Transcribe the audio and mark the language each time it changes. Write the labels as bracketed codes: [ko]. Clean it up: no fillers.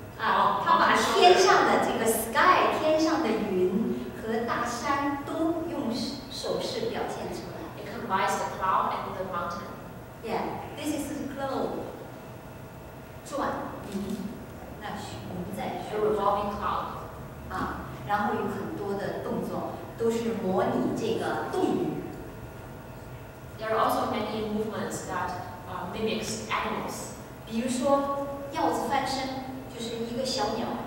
[zh] 啊，他把天上的这个 sky 天上的云和大山都用手势表现出来。 [en] Combines the cloud and the mountain. Yeah, this is the cloud. [zh] 转, 那云在转, [en] a revolving cloud. [zh] 然后有很多的动作都是模拟这个动物. [en] There are also many movements that mimics animals. [zh] 比如说鹞子翻身就是一个小鸟